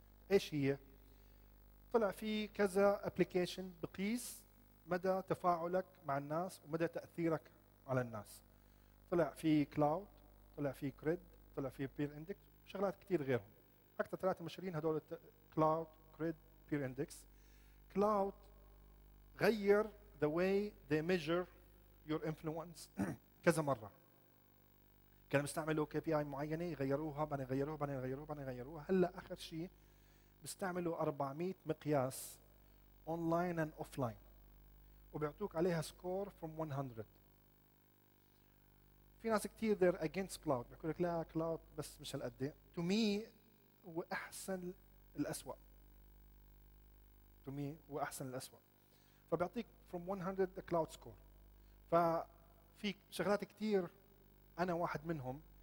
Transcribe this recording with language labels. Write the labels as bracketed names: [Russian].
[Arabic] إيش هي؟ طلع في كذا application بقيس مدى تفاعلك مع الناس ومدى تأثيرك على الناس. طلع في cloud، طلع في grid، طلع في peer index. شغلات كتير غيرهم. أكثر ثلاثة مشهورين هدول cloud، grid، peer index. Cloud غير [English] the way they measure your influence [Arabic] كذا مرة. كانوا بيستعملوا KPI معينة يغيروها بعدين يغيروها بعدين يغيروها بعدين يغيروها هلا آخر شيء بيستعملوا 400 مقياس أونلاين [English] and offline [Arabic] وبيعطوك عليها [English] score from 100 [Arabic] في ناس كتير [English] they're against cloud [Arabic] بيقولك لا cloud بس مش هالقد [English] to me [Arabic] هو أحسن الأسوأ to me هو أحسن الأسوأ فبيعطيك [English] from 100 the cloud score [Arabic] ففي شغلات كتير أنا واحد منهم